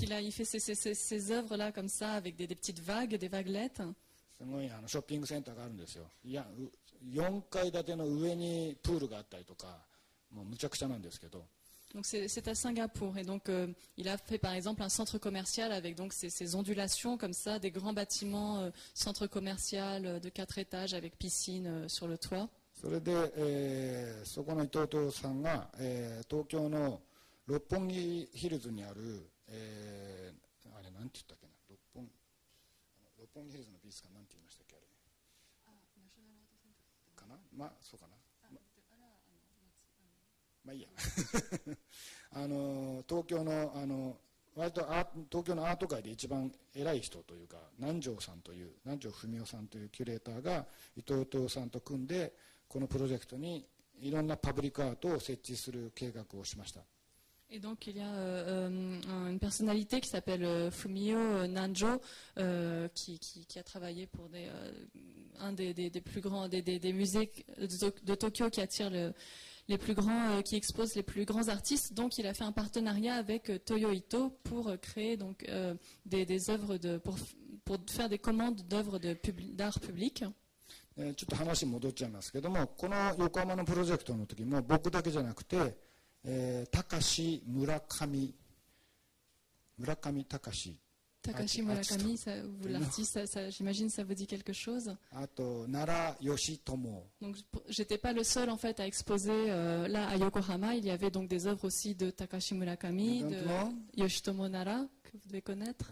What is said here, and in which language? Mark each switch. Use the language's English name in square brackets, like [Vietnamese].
[French] il a fait ces œuvres là comme ça avec des petites vagues, des vaguelettes. [Japanese] すごいあのショッピングセンターがあるんですよ。いや、4階建ての上にプールがあったりとか、もうむちゃくちゃなんですけど。 [French] Donc c'est à Singapour et donc il a fait par exemple un centre commercial avec donc ces ondulations comme ça, des grands bâtiments, centre commercial de 4 étages avec piscine sur le toit. [Japanese] それで、そこの伊藤さんが、東京の六本木ヒルズにある、あれなんて言ったっけな、六本木ヒルズの美術館なんて言いましたっけ、あれ、あ、ナショナルアートセンターかな、まあそうかな、あ、あら、あの、まあいいや、あの東京の、あの割と東京のアート界で一番偉い人というか、南條さんという、南條文夫さんというキュレーターが伊藤豊さんと組んでこのプロジェクトにいろんなパブリックアートを設置する計画をしました。 [French] Et donc il y a une personnalité qui s'appelle Fumio Nanjo qui a travaillé pour un des plus grands des musées de Tokyo qui attire les plus grands qui expose les plus grands artistes. Donc il a fait un partenariat avec Toyo Ito pour créer donc des œuvres de pour faire des commandes d'œuvres d'art public. [Japanese] ちょっと話戻っちゃいますけども、この横浜のプロジェクトの時も僕だけじゃなくて、高志村上高志、 [French] 高志村上、さ、l'artiste、さ、j'imagine ça vous dit quelque chose。 [Japanese] あと奈良義智。 [French] Donc j'étais pas le seul en fait à exposer là à Yokohama. Il y avait donc des œuvres aussi de Takashi Murakami, de Yoshitomo Nara que vous devez connaître.